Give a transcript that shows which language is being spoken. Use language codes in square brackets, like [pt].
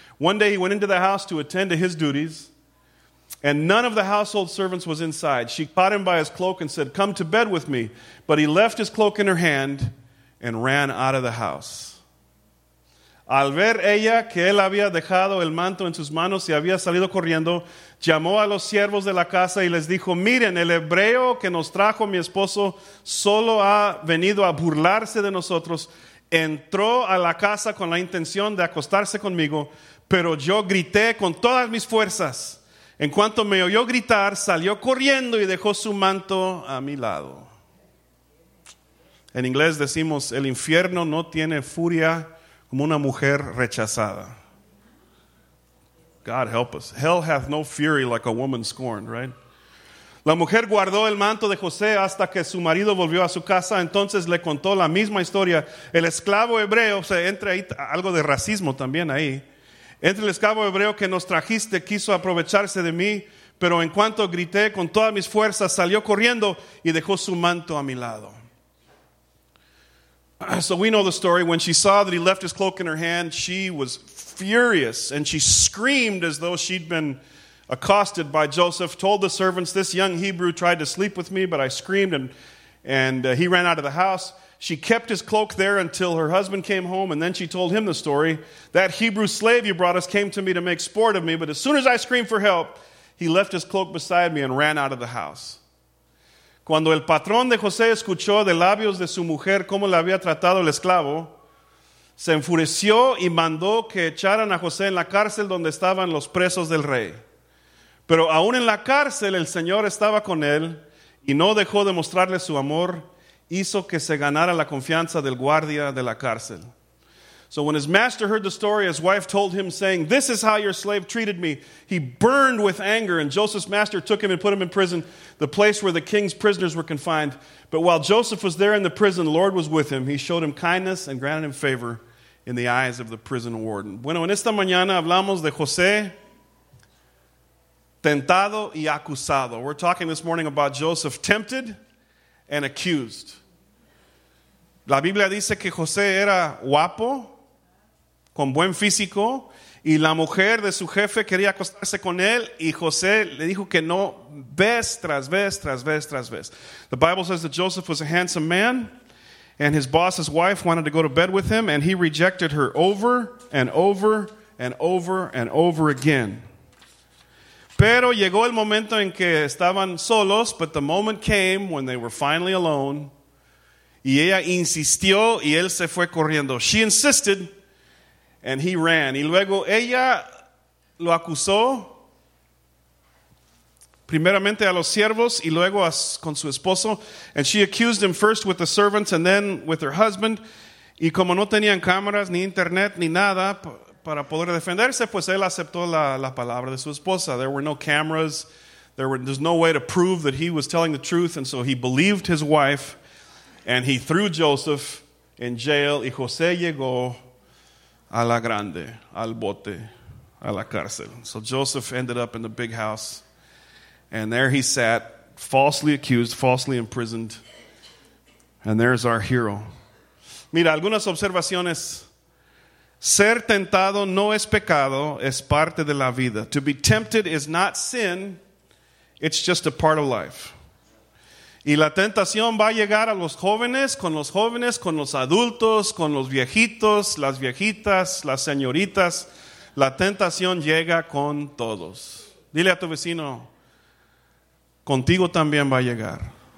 [en] One day he went into the house to attend to his duties, and none of the household servants was inside. She caught him by his cloak and said, come to bed with me. But he left his cloak in her hand and ran out of the house. [es] Al ver ella que él había dejado el manto en sus manos y había salido corriendo, llamó a los siervos de la casa y les dijo, miren, el hebreo que nos trajo mi esposo solo ha venido a burlarse de nosotros. Entró a la casa con la intención de acostarse conmigo, pero yo grité con todas mis fuerzas. En cuanto me oyó gritar, salió corriendo y dejó su manto a mi lado. En inglés decimos, el infierno no tiene furia como una mujer rechazada. [en] God help us. Hell hath no fury like a woman scorned, right? [es] La mujer guardó el manto de José hasta que su marido volvió a su casa. Entonces le contó la misma historia. El esclavo hebreo, o sea, entra ahí algo de racismo también ahí. Entre el esclavo hebreo que nos trajiste quiso aprovecharse de mí, pero en cuanto grité con todas mis fuerzas, salió corriendo y dejó su manto a mi lado. [en] So we know the story. When she saw that he left his cloak in her hand, she was furious and she screamed as though she'd been accosted by Joseph, told the servants, this young Hebrew tried to sleep with me, but I screamed and he ran out of the house. She kept his cloak there until her husband came home, and then she told him the story. That Hebrew slave you brought us came to me to make sport of me, but as soon as I screamed for help, He left his cloak beside me and ran out of the house. [es] Cuando el patrón de José escuchó de labios de su mujer cómo le había tratado el esclavo, se enfureció y mandó que echaran a José en la cárcel donde estaban los presos del rey. Pero aún en la cárcel el Señor estaba con él y no dejó de mostrarle su amor, hizo que se ganara la confianza del guardia de la cárcel. [en] So when his master heard the story, his wife told him, saying, "This is how your slave treated me." He burned with anger, and Joseph's master took him and put him in prison, the place where the king's prisoners were confined. But while Joseph was there in the prison, the Lord was with him. He showed him kindness and granted him favor in the eyes of the prison warden. [es] Bueno, en esta mañana hablamos de José, tentado y acusado. [en] We're talking this morning about Joseph, tempted and accused. [es] La Biblia dice que José era guapo, con buen físico, y la mujer de su jefe quería acostarse con él, y José le dijo que no, vez tras vez, tras vez, tras vez. [en] The Bible says that Joseph was a handsome man, and his boss's wife wanted to go to bed with him, and he rejected her over and over and over and over again. [es] Pero llegó el momento en que estaban solos, [en] but the moment came when they were finally alone, [es] y ella insistió, y él se fue corriendo. [en] She insisted, and he ran. [es] Y luego ella lo acusó, primeramente a los siervos, y luego con su esposo. [en] And she accused him first with the servants, and then with her husband. [es] Y como no tenían cámaras, ni internet, ni nada para poder defenderse, pues él aceptó la palabra de su esposa. [en] There were no cameras. There's no way to prove that he was telling the truth. And so he believed his wife, and he threw Joseph in jail. [es] Y José llegó a la grande, al bote, a la cárcel. [en] So Joseph ended up in the big house. And there he sat, falsely accused, falsely imprisoned. And there's our hero. [es] Mira, algunas observaciones. Ser tentado no es pecado, es parte de la vida. [en] To be tempted is not sin, it's just a part of life. [es] Y la tentación va a llegar a los jóvenes, con los jóvenes, con los adultos, con los viejitos, las viejitas, las señoritas. La tentación llega con todos. Dile a tu vecino, contigo también va a llegar.